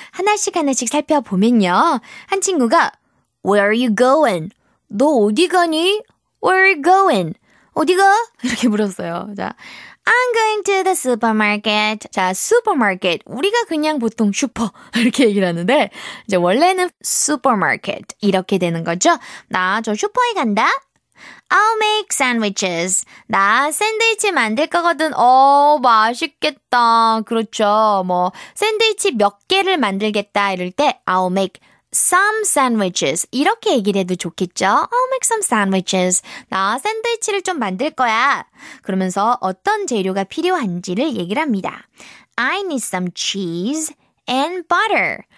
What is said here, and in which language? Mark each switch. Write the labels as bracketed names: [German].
[Korean] 하나씩 하나씩 살펴보면요. 한 친구가 [English] Where are you going? [Korean] 너 어디 가니? [English] Where are you going? [Korean] 어디 가? 이렇게 물었어요. 자, [English] I'm going to the supermarket. [Korean] 자, supermarket. 우리가 그냥 보통 슈퍼 이렇게 얘기를 하는데 이제 원래는 supermarket 이렇게 되는 거죠. 나 저 슈퍼에 간다. [English] I'll make sandwiches. [Korean] 나 샌드위치 만들 거거든. 어, 맛있겠다. 그렇죠. 뭐 샌드위치 몇 개를 만들겠다 이럴 때 [English] I'll make some sandwiches. [Korean] 이렇게 얘기를 해도 좋겠죠? [English] I'll make some sandwiches. [Korean] 나 샌드위치를 좀 만들 거야. 그러면서 어떤 재료가 필요한지를 얘기를 합니다. [English] I need some cheese and butter.